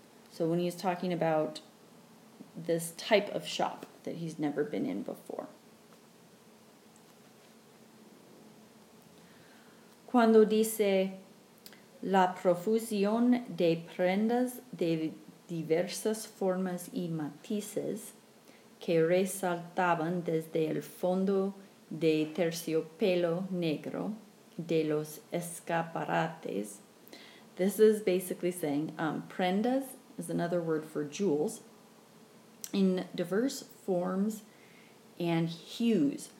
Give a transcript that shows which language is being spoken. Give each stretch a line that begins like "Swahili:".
English: So when he's talking about this type of shop that he's never been in before.
Spanish: Cuando dice la profusión de prendas de diversas formas y matices que resaltaban desde el fondo de terciopelo negro de los escaparates.
English: This is basically saying prendas is another word for jewels in diverse forms and hues.